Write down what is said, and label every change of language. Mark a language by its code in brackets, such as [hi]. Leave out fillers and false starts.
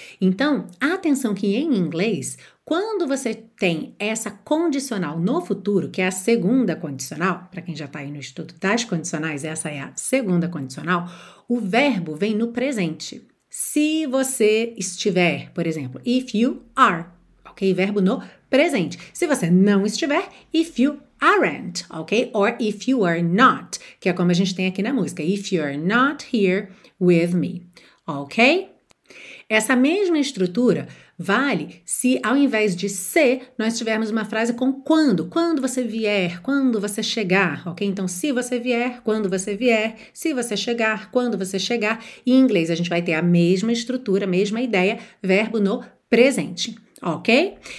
[pt] Então, atenção que em inglês, quando você tem essa condicional no futuro, que é a segunda condicional, para quem já está aí no estudo das condicionais, essa é a segunda condicional, o verbo vem no presente. Se você estiver, por exemplo, [en] if you are, [pt] ok? Verbo no presente. Se você não estiver, [en] if you aren't, [pt] ok? [en] Or if you are not, [pt] que é como a gente tem aqui na música. [en] If you're not here with me. Ok? [pt] Essa mesma estrutura vale se ao invés de se, nós tivermos uma frase com quando você vier, quando você chegar, ok? Então, se você vier, quando você vier, se você chegar, quando você chegar. Em inglês, a gente vai ter a mesma estrutura, a mesma ideia, verbo no presente, ok?